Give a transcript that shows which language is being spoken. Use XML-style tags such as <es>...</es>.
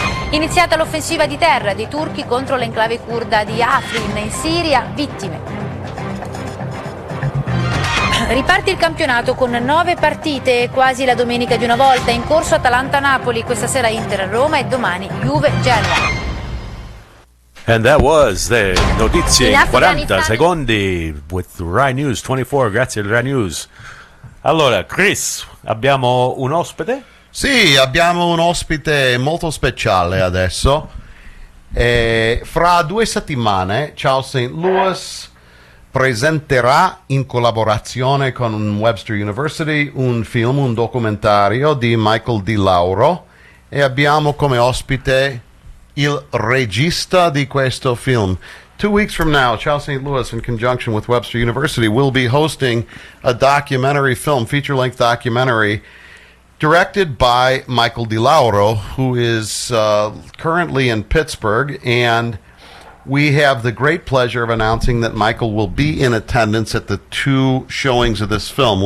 <it>Iniziata l'offensiva di terra dei turchi contro l'enclave curda di Afrin in Siria, vittime. Riparte il campionato con 9 partite, quasi la domenica di una volta. In corso Atalanta-Napoli, questa sera Inter-Roma e domani Juve-Genoa.</it> <en>And that was the</en> <it>notizie in 40 secondi with Rai News 24, grazie al Rai News. Allora, Chris, abbiamo un ospite? Sì, abbiamo un ospite molto speciale adesso. E fra 2 settimane, Charles St. Louis presenterà in collaborazione con Webster University un film, un documentario di Michael Di Lauro, e abbiamo come ospite il regista di questo film.</it> <en>2 weeks from now, Charles St. Louis, in conjunction with Webster University, will be hosting a documentary film, feature-length documentary, directed by Michael Di Lauro, who is currently in Pittsburgh, and we have the great pleasure of announcing that Michael will be in attendance at the 2 showings of this film.</en>